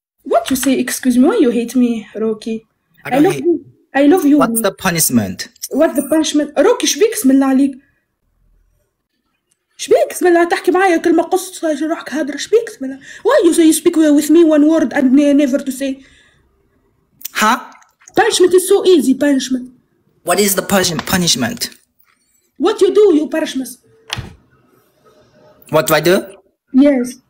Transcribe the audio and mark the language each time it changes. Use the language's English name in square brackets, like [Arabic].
[English] What you say, excuse me? Why you hate me, Rocky? I love you. I love you. What's the punishment? What's the punishment? [Arabic] Rocky, شبيك اسم الله عليك. شبيك اسم الله تحكي معايا كلمة قصة جروحك هادرة. شبيك اسم الله. [English] Why you say you speak with me one word and never to say? Huh? Punishment is so easy, punishment. What is the punishment? What you do, you punish me. What do I do? Yes.